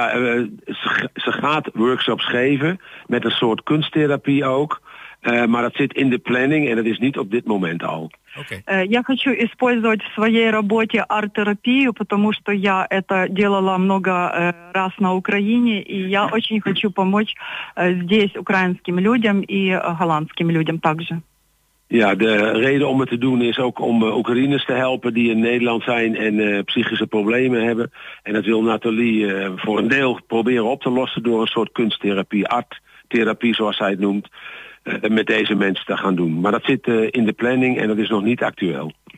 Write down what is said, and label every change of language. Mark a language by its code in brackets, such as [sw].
[nl] Ze gaat workshops geven met een soort kunsttherapie ook. Maar dat zit in de planning en dat is niet op dit moment al. [ru] Я хочу использовать в своей работе арт-терапию, потому что я это делала много раз на Украине, и я очень хочу помочь здесь украинским людям и голландским людям также. [nl] Ja, de reden om het te doen is ook om Oekraïners te helpen die in Nederland zijn en psychische problemen hebben. En dat wil Nathalie voor een deel proberen op te lossen door een soort kunsttherapie, arttherapie zoals zij het noemt. Met deze mensen te gaan doen. Maar dat zit in de planning en dat is nog niet actueel.